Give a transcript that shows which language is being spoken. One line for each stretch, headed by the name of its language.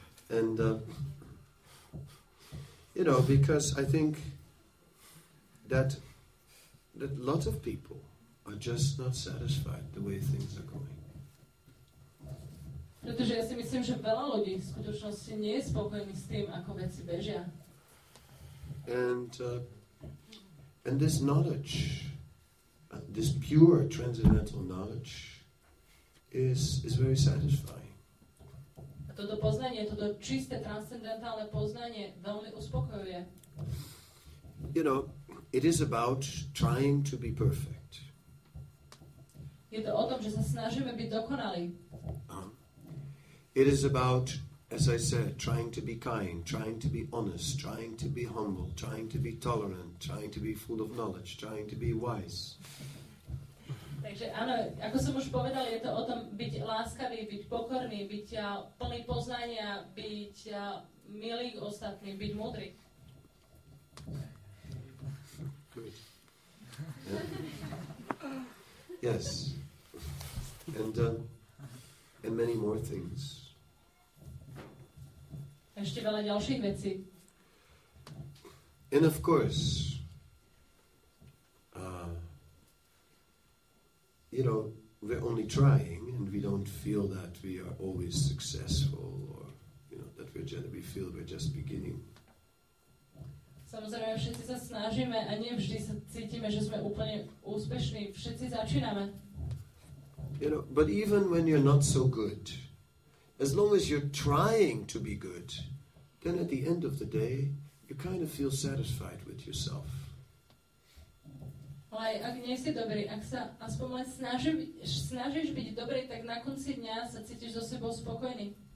English: And, you know, because I think that lots of people are just not satisfied the way things are going.
Slovak: Pretože ja si myslím, že veľa ľudí v skutočnosti nie je spokojný s tým, ako veci bežia.
English: And this knowledge, this pure transcendental knowledge is very satisfying.
Slovak: A toto poznanie, toto čisté transcendentálne poznanie veľmi uspokojuje.
English: You know, it is about trying to be perfect.
Slovak: Je to o tom, že sa snažíme byť dokonalí.
English: It is about, as I said, trying to be kind, trying to be honest, trying to be humble, trying to be tolerant, trying to be full of knowledge, trying to be wise.
Slovak: Takže áno, ako som už povedal, je to o tom byť láskavý, byť pokorný, byť plný poznania, byť milý k ostatným, byť múdry.
English: Yes. And many more things.
Slovak: Ešte veľa ďalších vecí.
English: And of course, you know, we're only trying, and we don't feel that we are always successful, or you know, that we feel we're just beginning.
Slovak: Samozrejme, všetci sa snažíme, a nie vždy sa cítime, že sme úplne úspešní. Všetci začíname.
English: You know, but even when you're not so good, as long as you're trying to be good, then at the end of the day, you kind of feel satisfied with yourself.
Slovak: Ale ak nie si dobrý, ak sa aspoň len snažíš byť dobrý, tak na konci dňa sa cítiš so sebou spokojný.